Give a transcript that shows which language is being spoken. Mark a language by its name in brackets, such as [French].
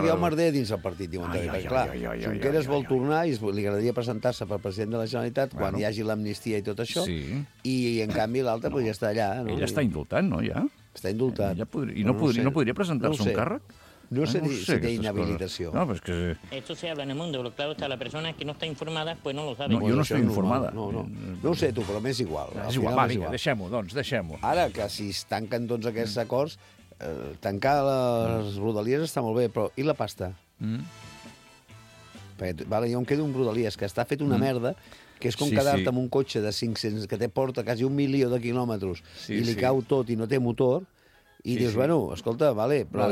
[Catalan] Hi ha un merder dins el partit, diuen. Clar, Junqueras vol tornar i li agradaria presentar-se per president de la Generalitat quan hi hagi l'amnistia i tot això, i en canvi l'altre ja està allà. Ell està indultant, no, ja? Està indultant. I no podria presentar-se un càrrec? No sé si té inhabilitació. No, però és que... [Spanish] Esto se habla en el mundo, lo claro está, la persona que no está informada pues no lo sabe. [Catalan] No, jo no estic informada. No ho sé, tu, però m'és igual. És igual, va, vinga, deixem-ho, doncs, deixem-ho. Ara, que si es tanquen tots aquests acords, tancar les rodalies està molt bé, però i la pasta? Perquè jo em quedo amb rodalies, que està fet una merda, que és com quedar-te amb un cotxe de 500, que té porta quasi un milió de quilòmetres, i li cau tot i no té motor, i dius, bueno, escolta, vale, però...